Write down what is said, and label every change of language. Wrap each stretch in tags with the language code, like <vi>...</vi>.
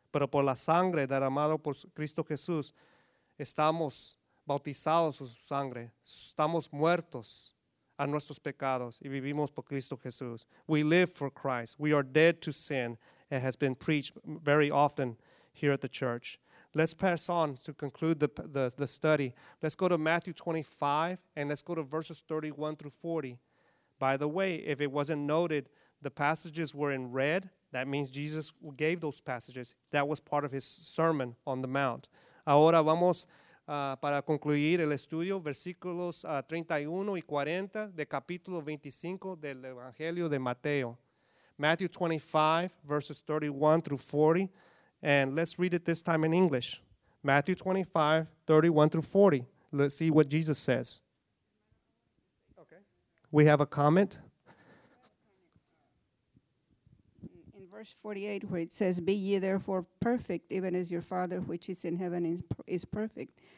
<es>Pero por la sangre derramada por Cristo Jesús, estamos bautizados en su sangre. Estamos muertos a nuestros pecados y vivimos por Cristo Jesús.</es> <en>We live for Christ. We are dead to sin. It has been preached very often here at the church. Let's pass on to conclude the study. Let's go to Matthew 25, and let's go to verses 31 through 40. By the way, if it wasn't noted, the passages were in red. That means Jesus gave those passages. That was part of his sermon on the Mount.</en> <es>Ahora vamos para concluir el estudio, versículos 31 y 40 de capítulo 25 del Evangelio de Mateo.</es> <en>Matthew 25, verses 31 through 40. And let's read it this time in English. Matthew 25, 31 through 40. Let's see what Jesus says. Okay. We have a comment. In verse 48, where it says, be ye therefore perfect, even as your Father which is in heaven is perfect.</en>